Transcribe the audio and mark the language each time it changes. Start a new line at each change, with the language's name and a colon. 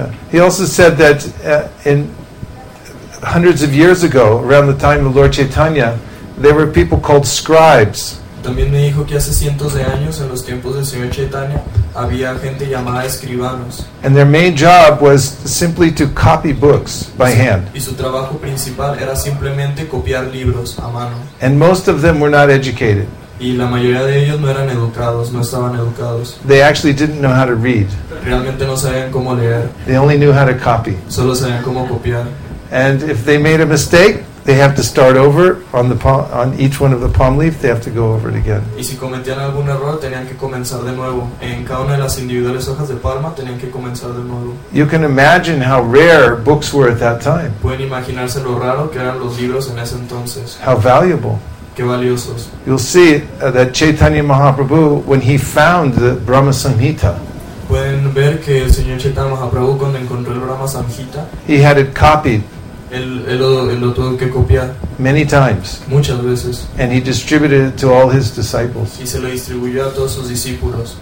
English: He also said that in hundreds of years ago, around the time of Lord Chaitanya, there were people called scribes.
Spanish: También me dijo que hace cientos de años, en los tiempos del señor Chaitanya, había gente llamada escribanos.
English: And their main job was simply to copy books by hand.
Spanish: Y su trabajo principal era simplemente copiar libros a mano.
English: And most of them were not educated.
Spanish: Y la mayoría de ellos no eran educados, no estaban educados.
English: They actually didn't know how to read.
Spanish: Realmente no sabían cómo leer.
English: They only knew how to copy.
Spanish: Solo sabían cómo copiar.
English: And if they made a mistake, they have to start over on the palm, on each one of the palm leaf. They have to go over it again.
Spanish: Y si cometían algún error, tenían que comenzar de nuevo. En cada una de las individuales hojas de palma, tenían que comenzar de nuevo.
English: You can imagine how rare books were at that time.
Spanish: Pueden imaginarse lo raro que eran los libros en ese entonces.
English: How valuable.
Spanish: Qué valiosos.
English: You'll see that Chaitanya Mahaprabhu, when he found the Brahma Samhita.
Spanish: Pueden ver que el señor Chaitanya Mahaprabhu, cuando encontró el Brahma Samhita,
English: he had it copied.
Spanish: Él lo tuvo que copiar.
English: Many times.
Spanish: Muchas veces.
English: And he distributed it to all his disciples.
Spanish: Y se lo distribuyó a todos sus discípulos.